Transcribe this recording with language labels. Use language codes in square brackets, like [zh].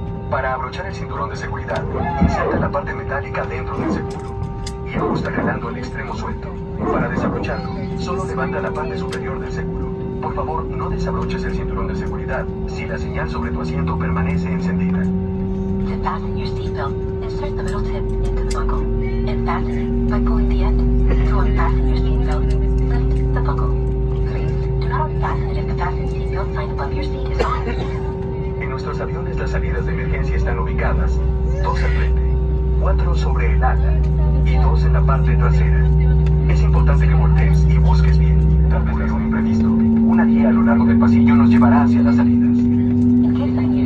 [es] Para abrochar el cinturón de seguridad, inserta la parte metálica dentro del seguro y ajusta jalando el extremo suelto. Para desabrocharlo, solo levanta la parte superior del seguro. Por favor, no desabroches el cinturón de seguridad si la señal sobre tu asiento permanece encendida. [en] To fasten your seatbelt, insert the middle tip into the buckle and fasten it by pulling the end. To unfasten your seatbelt, lift the buckle. Please, do not unfasten it if the fastened seatbelt sign above your seat is on. [es] Nuestros aviones, las salidas de emergencia están ubicadas 2 al frente, 4 sobre el ala y 2 en la parte trasera. Es importante que voltees y busques bien. Tal vez es un imprevisto. Una guía a lo largo del pasillo nos llevará hacia las salidas.